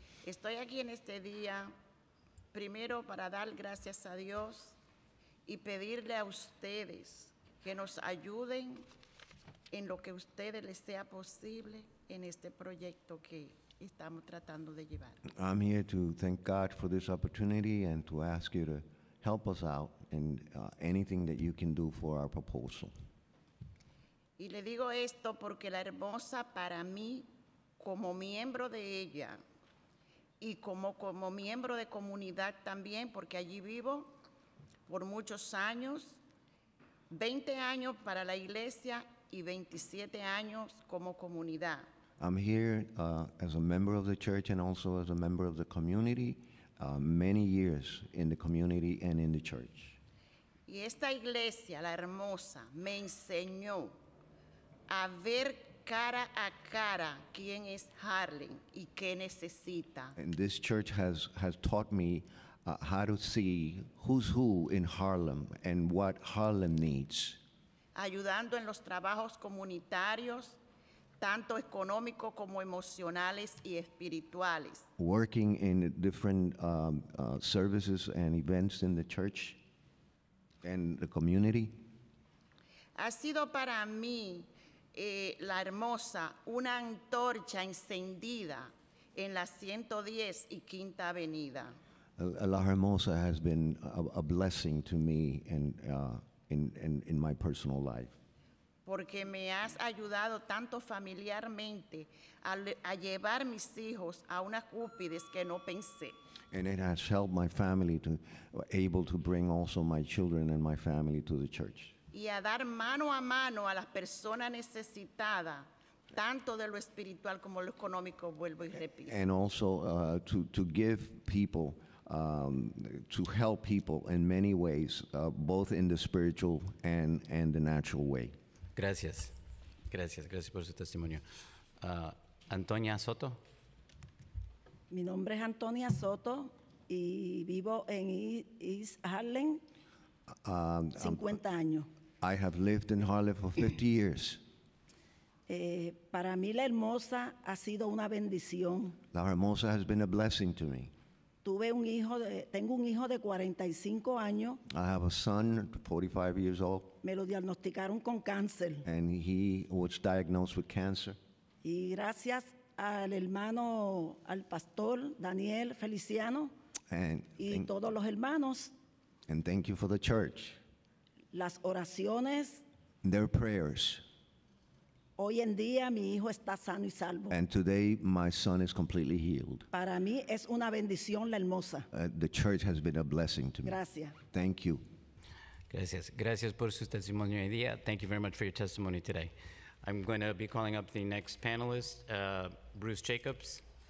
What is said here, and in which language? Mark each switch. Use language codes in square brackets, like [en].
[es] Estoy aquí en este día primero para dar gracias a Dios y pedirle a ustedes que nos ayuden en lo que a ustedes les sea posible en este proyecto que estamos tratando de llevar. [en] I'm here to thank God for this opportunity and to ask you to help us out in anything that you can do for our proposal. [es] Y le digo esto porque la hermosa para mí, como miembro de ella, y como miembro de comunidad también, porque allí vivo por muchos años, 20 años para la iglesia y 27 años como comunidad. [en] I'm here as a member of the church and also as a member of the community, many years in the community and in the church. [es] Y esta iglesia, la hermosa, me enseñó a ver cara a cara quién es Harlan y qué necesita. [en] And this church has taught me how to see who's who in Harlem and what Harlem needs. [es] Ayudando en los trabajos comunitarios, tanto económicos como emocionales y espirituales. [en] Working in different services and events in the church and the community. [es] Ha sido para mí la hermosa, una antorcha encendida en la 110 y Quinta Avenida. [en] La hermosa has been a blessing to me and in my personal life. [es] Porque me has ayudado tanto familiarmente a llevar mis hijos a unas cúpides que no pensé. [en] And it has helped my family to able to bring also my children and my family to the church. [es] Y a dar mano a mano a las personas necesitadas, tanto de lo espiritual como lo económico, vuelvo y repito. [en] And also to give people, to help people in many ways, both in the spiritual and the natural way. [es] Gracias. Gracias por su testimonio. Antonia Soto. Mi nombre es Antonia Soto y vivo en East Harlem, 50 años. [en] I have lived in Harlem for 50 years. [es] Para mí la hermosa ha sido una bendición. [en] La hermosa has been a blessing to me. [es] Tengo un hijo de 45 años. [en] I have a son, 45 years old. [es] Me lo diagnosticaron con cáncer. [en] And he was diagnosed with cancer. [es] Y gracias al hermano, al pastor Daniel Feliciano y todos los hermanos. [en] And thank you for the church. [es] Las oraciones. [en] Their prayers. [es] Hoy en día mi hijo está sano y salvo. [en] And today my son is completely healed. [es] Para mí es una bendición la hermosa. [en] The church has been a blessing to me. [es] Gracias. [en] Thank you. [es] Gracias. Gracias por su testimonio hoy día. [en] Thank you very much for your testimony today. I'm going to be calling up the next panelist, Bruce Jacobs.